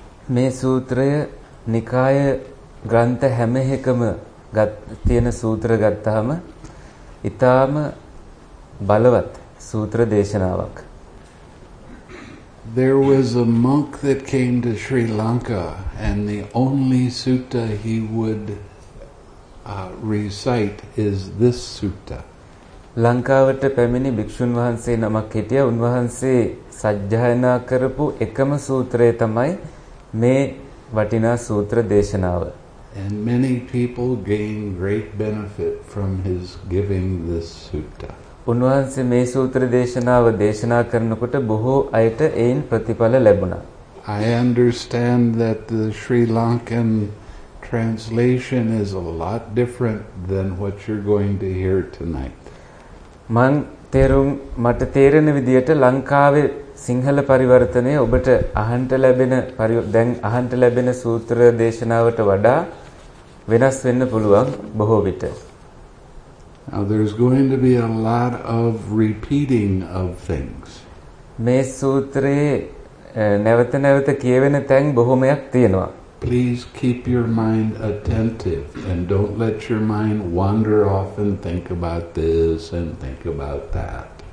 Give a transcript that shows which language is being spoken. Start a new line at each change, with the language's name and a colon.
Sinhala: මේ සූත්‍රය නිකාය ග්‍රන්ථ හැම එකම තියෙන සූත්‍ර ගත්තාම ඉතාම බලවත් සූත්‍ර දේශනාවක්.
English: There was a monk that came to Sri Lanka and the only sutta he would recite is this sutta.
Sinhala: ලංකාවට පැමිණි භික්ෂුන් වහන්සේ නමක් හිටියා. උන්වහන්සේ සජ්ජායනා කරපු එකම සූත්‍රය තමයි මේ වටිනා සූත්‍ර දේශනාව.
English: And many people gain great benefit from his giving this sutta.
Sinhala: උන්වහන්සේ මේ සූත්‍ර දේශනාව දේශනා කරනකොට බොහෝ අයට එයින් ප්‍රතිඵල ලැබුණා.
English: I understand that the Sri Lankan translation is a lot different than what you're going to hear tonight.
Sinhala: මං තේරුම් මට තේරෙන විදිහට ලංකාවේ සිංහල පරිවර්තනයේ ඔබට අහන්න ලැබෙන දැන් අහන්න ලැබෙන සූත්‍ර දේශනාවට වඩා වෙනස් වෙන්න පුළුවන් බොහෝ විට.
English: Now there's going to be a lot of repeating of things.
Sinhala: මේ සූත්‍රයේ නැවත නැවත කියවෙන තැන් බොහොමයක් තියෙනවා.
English: Please keep your mind attentive and don't let your mind wander off and think about this and think about that.